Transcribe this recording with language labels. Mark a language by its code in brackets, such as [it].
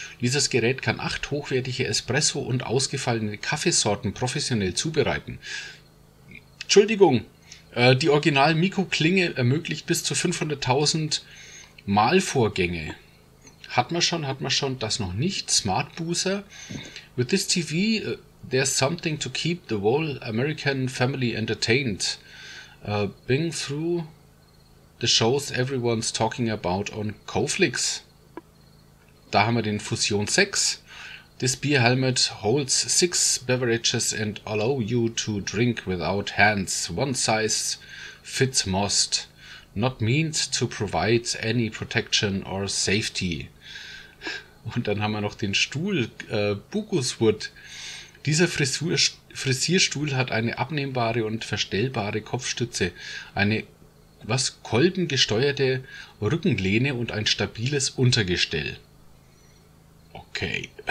[de] Dieses Gerät kann 8 hochwertige Espresso und ausgefallene Kaffeesorten professionell zubereiten. Entschuldigung, die Original-Mikro-Klinge ermöglicht bis zu 500.000 Mahlvorgänge. Hat man schon, das noch nicht. Smart Boozer. [en] With this TV, there's something to keep the whole American family entertained. Bing through the shows everyone's talking about on Koflix. Da haben wir den Fusion 6. This beer helmet holds 6 beverages and allow you to drink without hands. One size fits most. Not meant to provide any protection or safety. [de] Und dann haben wir noch den Stuhl, Bukuswood. Dieser Frisierstuhl hat eine abnehmbare und verstellbare Kopfstütze, eine was kolbengesteuerte Rückenlehne und ein stabiles Untergestell. Okay.